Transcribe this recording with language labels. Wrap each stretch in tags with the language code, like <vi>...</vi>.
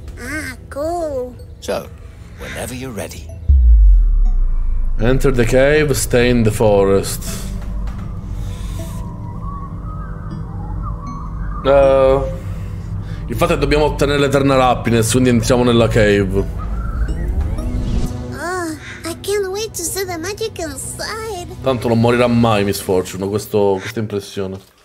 <en>Ah, cool. So, whenever you're ready. Enter the cave, stay in the forest.</en> <it>Il fatto è che dobbiamo ottenere l'</it> <en>eternal happiness,</en> <it>quindi entriamo nella cave.</it> <en>Oh, I can't wait to see the magic inside.</en> <it>Tanto non morirà mai Miss Fortune, questa impressione.</it>